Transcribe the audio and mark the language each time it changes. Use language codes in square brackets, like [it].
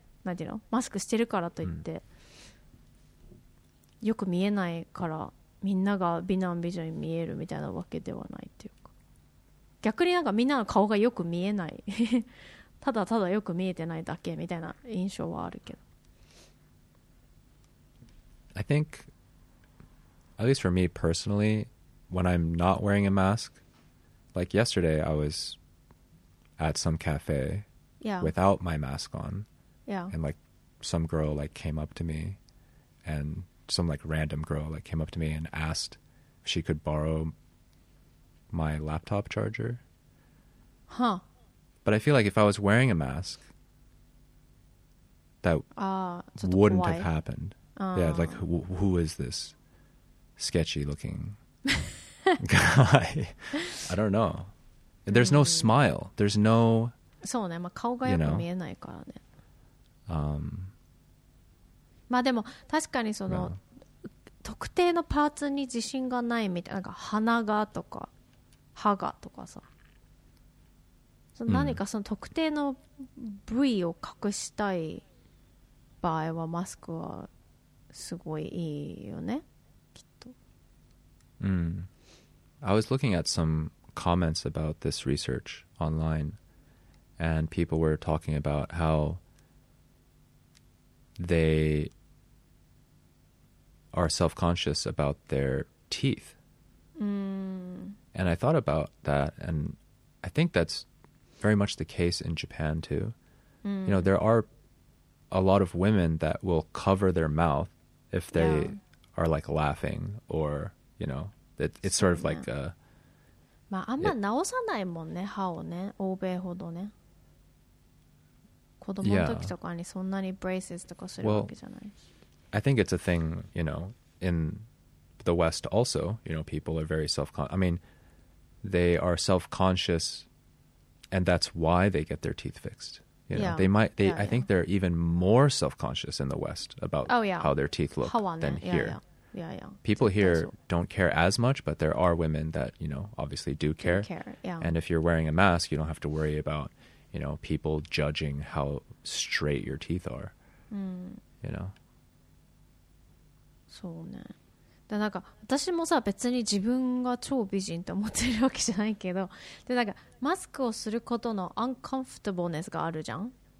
[ja] 何ていうの、マスクしてるからといって、うん、よく見えないからみんなが美男美女に見えるみたいなわけではないっていうか、逆になんかみんなの顔がよく見えないただただよく見えてないだけみたいな印象はあるけど、 [en] I think at least for me personally when I'm not wearing a maskLike yesterday, I was at some cafe、 yeah. without my mask on、 yeah. and like some girl like came up to me and some like random girl like came up to me and asked if she could borrow my laptop charger. Huh. But I feel like if I was wearing a mask, that wouldn't have happened. Yeah, like who is this sketchy looking guy? I don't know. There's no smile. There's no. [ja] そうね、まあ顔がよく見えないからね。まあでも確かにその、no. 特定のパーツに自信がないみたいな、なんか鼻がとか歯がとかさ、その何かその特定の部位を隠したい場合はマスクはすごいいいよね、きっと。うん。 [en] I was looking at some comments about this research online, and people were talking about how they are self-conscious about their teeth. And I thought about that, and I think that's very much the case in Japan too. You know, there are a lot of women that will cover their mouth if they are like laughing or, you know,It's sort of like a, [ja] まああんま直さないもんね、歯をね、欧米ほどね。子供の時とかにそんなにブレイスとかするわけじゃない。 [en] Well, I think it's a thing, you know, in the West also, you know, people are very self-conscious. I mean, they are self-conscious and that's why they get their teeth fixed. You know, I think they're even more self-conscious in the West about how their teeth look than here. Yeah. People here don't care as much, but there are women that, you know, obviously do care. And if you're wearing a mask, you don't have to worry about, you know, people judging how straight your teeth are. You know? [ja] そうね。で、なんか、私もさ、別に自分が超美人って思ってるわけじゃないけど、で、なんか、マスクをすることのアンコンフォータブルネスがあるじゃん。